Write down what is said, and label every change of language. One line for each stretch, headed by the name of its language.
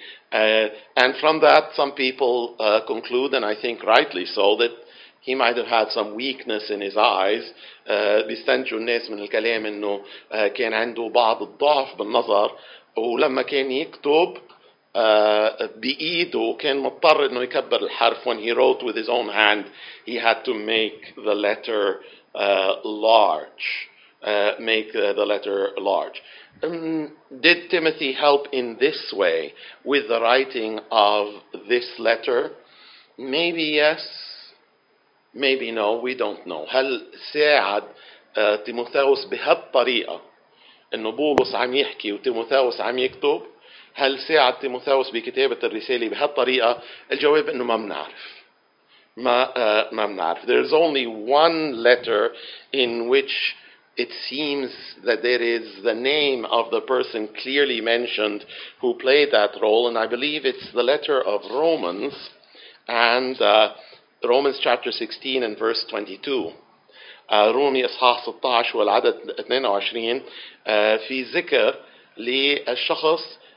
English: And from that, some people conclude, and I think rightly so, that he might have had some weakness in his eyes.
Arabic: بيستنجوا الناس من الكلام إنه كان عنده بعض الضعف بالنظر ولما كان يكتب بإيده كان مضطر إنه يكبر الحرف.
English: When he wrote with his own hand, he had to make the letter large. Did Timothy help in this way with the writing of this letter? Maybe yes, maybe no. We don't know.
Arabic: هل ساعد تيموثاوس بهالطريقة إنه بولس عم يحكي وتيموثاوس عم يكتب؟ هل ساعد تيموثاوس بكتابة الرسالة بهالطريقة؟ الجواب إنه ما منعرف. ما منعرف.
English: There is only one letter in which it seems that there is the name of the person clearly mentioned who played that role, and I believe it's the letter of Romans, and Romans chapter 16 and verse 22.
Arabic: رومي إصحاح 16 والعدد 22 في ذكر للشخص.